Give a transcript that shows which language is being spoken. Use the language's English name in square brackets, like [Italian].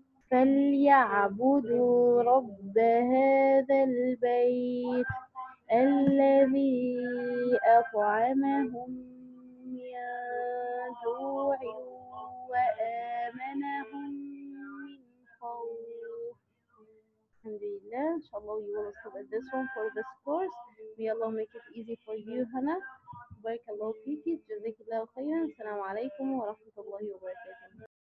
[Arabic] فليعبدوا رب هذا البيت الذي أطعمهم من جوع وآمنهم من خوف. الحمد لله. إن شاء الله [English] you will study this one for this course. May Allah make it easy for you, Hanaa. [Arabic] بارك الله فيك. جزاك الله خيرا. السلام عليكم ورحمة الله وبركاته.